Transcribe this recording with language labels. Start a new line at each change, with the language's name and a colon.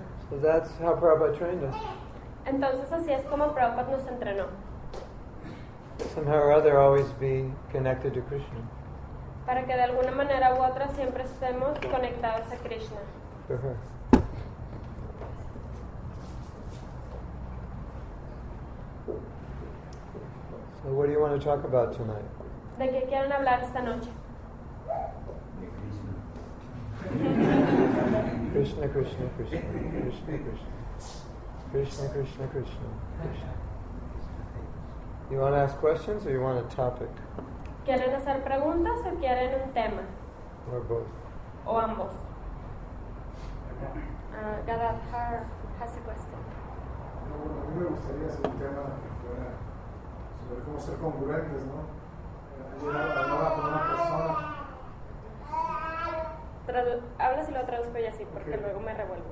English: So that's how Prabhupada trained us.
Spanish: Entonces así es como Prabhupada nos entrenó.
English: Somehow or other, always be connected to Krishna.
Spanish: Para que de alguna manera u otra siempre estemos conectados a Krishna.
English: So what do you want to talk about tonight?
Spanish: ¿De qué quieren hablar esta noche?
English: Krishna, Krishna, Krishna, Krishna, Krishna, Krishna, Krishna, Krishna, Krishna. You want to ask questions or you want a topic?
Spanish: ¿Quieren hacer preguntas o quieren un tema?
English: Or both.
Spanish: O ambos.
English: Gadadhar has a question.
Spanish: A mí me gustaría hacer un tema sobre cómo ser congruentes, ¿no? Hablaba con una persona. Hablas y lo traduzco ya, sí, porque luego me revuelvo.